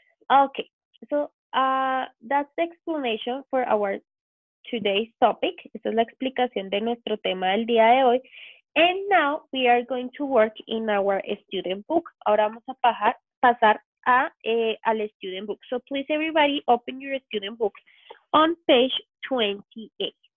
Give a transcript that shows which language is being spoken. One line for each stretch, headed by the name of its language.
English: Ok, so that's the explanation for our today's topic.
Spanish: Esta es la explicación de nuestro tema del día de hoy.
English: And now we are going to work in our student book.
Spanish: Ahora vamos a pasar a al student book.
English: So please everybody open your student book on page 28.